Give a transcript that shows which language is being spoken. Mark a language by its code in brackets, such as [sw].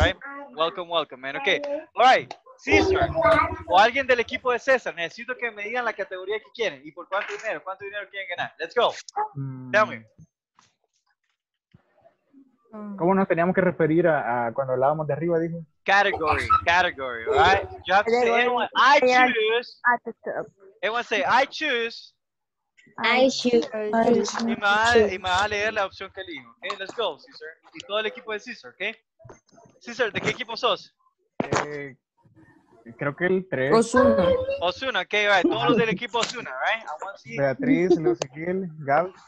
[en] Right? Welcome, man. Okay. All right. [es] Cesar, o alguien del equipo de Cesar, necesito que me digan la categoría que quieren y por cuánto dinero quieren ganar. [en] Let's go. Tell me. [es] ¿Cómo nos teníamos que referir a cuando hablábamos de arriba, dijo? [en] Category, right? You have to say, I choose. [es] Y me va a leer la opción que elijo. Okay, [en] let's go, [es] Cesar. Y todo el equipo de Cesar, okay? Cesar, ¿de qué equipo sos? Creo que el 3. [en] Ozuna, ok, right. [es] Todos los del equipo Ozuna, [en] right? I want to see. Beatriz, Luciquil, Gab.